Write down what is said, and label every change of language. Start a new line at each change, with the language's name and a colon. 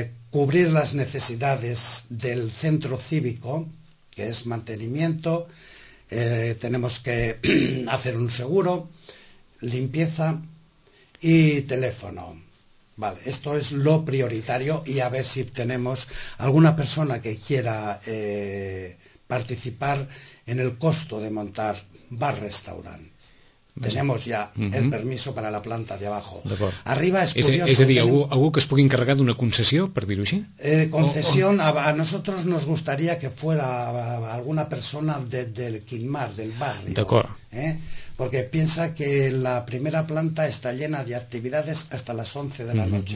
Spanish: Cubrir las necesidades del centro cívico, que es mantenimiento, tenemos que hacer un seguro, limpieza y teléfono. Vale, esto es lo prioritario, y a ver si tenemos alguna persona que quiera participar en el costo de montar bar restaurant. Tenemos ya el permiso para la planta de abajo.
Catalan: D'acord.
Spanish: Arriba es curioso.
Catalan: És a dir, algú que es pugui encarregar d'una concessió, per dir-ho així?
Spanish: Concesión, a nosotros nos gustaría que fuera alguna persona del Quimar, del barrio.
Catalan: D'acord.
Spanish: Porque piensa que la primera planta está llena de actividades hasta las 11 de la noche.